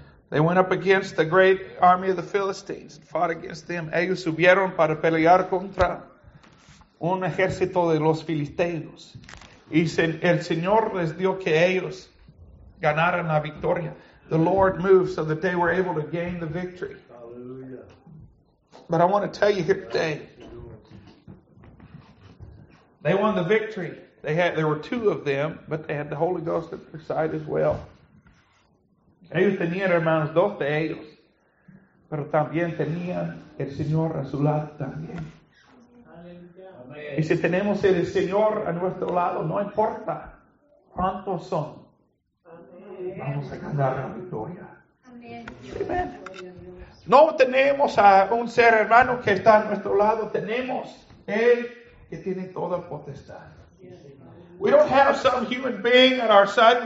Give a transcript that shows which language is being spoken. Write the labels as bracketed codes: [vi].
[en] They went up against the great army of the Philistines and fought against them. [es] Ellos subieron para pelear contra un ejército de los filisteos. Y el Señor les dio que ellos ganaran la victoria. [en] The Lord moved so that they were able to gain the victory. Hallelujah. But I want to tell you here today, they won the victory. There were two of them, but they had the Holy Ghost at their side as well. [es] Ellos tenían, hermanos, dos de ellos, pero también tenían el Señor a su lado también. Y si tenemos el Señor a nuestro lado, no importa cuántos son, vamos a ganar la victoria. Amén. No tenemos a un ser, hermano, que está a nuestro lado. Tenemos el que tiene toda potestad. [en] We don't have some human being at our side.